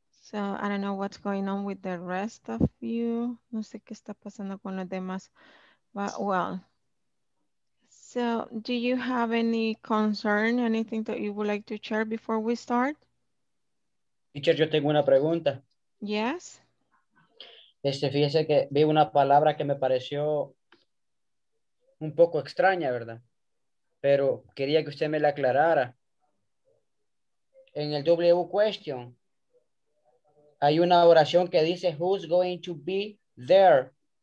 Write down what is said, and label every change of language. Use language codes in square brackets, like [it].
[en] So I don't know what's going on with the rest of you. [es] No sé qué está pasando con los demás. [en] But, well, so do you have any concern, anything that you would like to share before we start? [es] Teacher, yo tengo una pregunta. [en] Yes. [es] Fíjese que vi una palabra que me pareció un poco extraña, ¿verdad? Pero quería que usted me la aclarara. En el W question, hay una oración que dice, [en] who's going to be there?